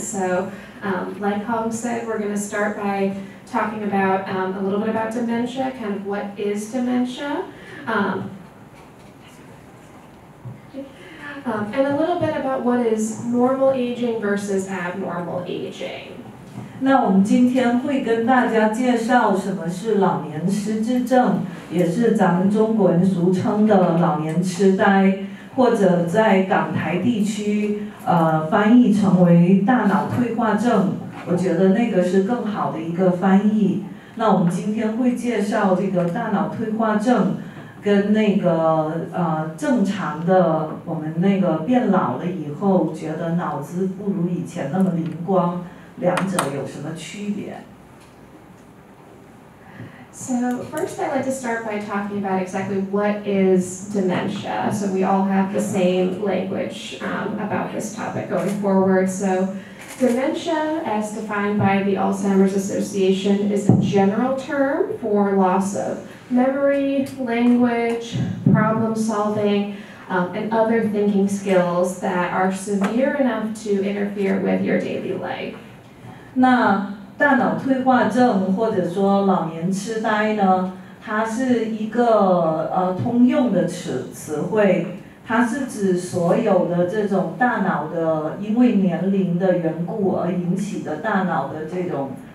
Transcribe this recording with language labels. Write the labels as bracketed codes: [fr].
[en] So like Hong said, we're going to start by talking about a little bit about dementia, kind of what is dementia. And a little bit about what is normal aging versus abnormal aging. [zh] 那我们今天会跟大家介绍什么是老年失智症，也是咱们中国人俗称的老年痴呆，或者在港台地区翻译成为大脑退化症，我觉得那个是更好的一个翻译。那我们今天会介绍这个大脑退化症跟那个正常的我们那个变老了以后觉得脑子不如以前那么灵光，两者有什么区别。 [en] So first I'd like to start by talking about exactly what is dementia. So we all have the same language about this topic going forward. So dementia, as defined by the Alzheimer's Association, is a general term for loss ofmemory, language, problem solving, and other thinking skills that are severe enough to interfere with your daily life. [zh] 那大脑退化症或者说老年痴呆呢，它是一个通用的词汇，它是指所有的这种大脑的因为年龄的缘故而引起的大脑的这种